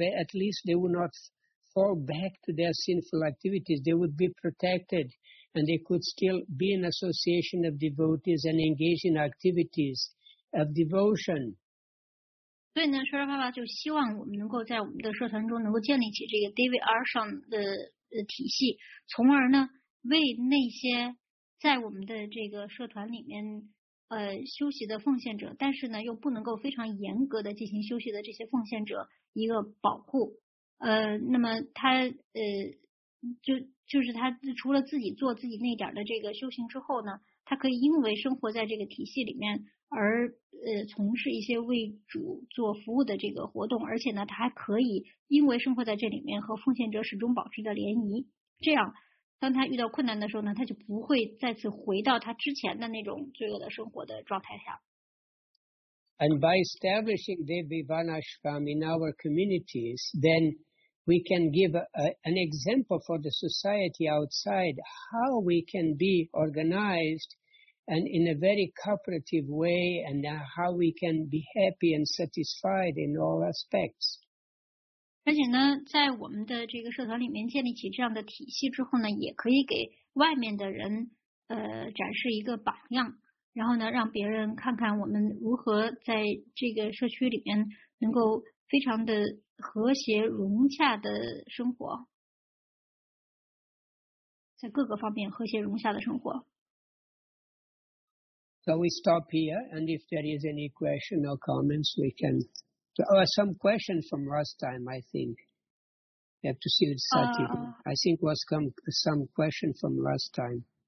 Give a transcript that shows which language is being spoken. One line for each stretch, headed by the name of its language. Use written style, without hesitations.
English: But at least they would not fall back to their sinful activities. They would be protected, and they could still be in association of devotees and engage in activities of devotion.
Chinese: 所以呢，舍利爸爸就希望我们能够在我们的社团中能够建立起这个 David Arshan 的体系，从而呢为那些在我们的这个社团里面休息的奉献者，但是呢又不能够非常严格的进行休息的这些奉献者一个保护。那么他就是他除了自己做自己那点的这个修行之后呢，他可以因为生活在这个体系里面而从事一些为主做服务的这个活动，而且呢他还可以因为生活在这里面和奉献者始终保持着联谊，这样当他遇到困难的时候呢，他就不会再次回到他之前的那种罪恶的生活的状态下。
English: And by establishing Devi Varnashram in our communities, then we can give an example for the society outside how we can be organized and in a very cooperative way and how we can be happy and satisfied in all aspects.
Chinese: 而且呢在我们的这个社团里面建立起这样的体系之后呢，也可以给外面的人展示一个榜样，然后呢让别人看看我们如何在这个社区里面能够非常的和谐融洽的生活，在各个方面和谐融洽的生活。
English: So we stop here, and if there is any question or comments we canSome questions from last time, I think. We have to see with Sati. I think was come some question from last time.